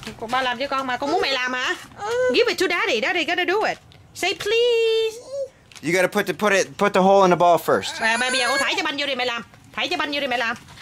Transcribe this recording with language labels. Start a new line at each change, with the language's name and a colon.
Vietnamese: Ba làm cho con mà, con muốn mẹ làm hả?
English: Give it to daddy, daddy gotta do it. Say please. You gotta put the hole in the ball first.
Vietnamese: Mẹ bây giờ con thảy cho banh vô đi mẹ làm. Thảy cho banh vô đi mẹ làm.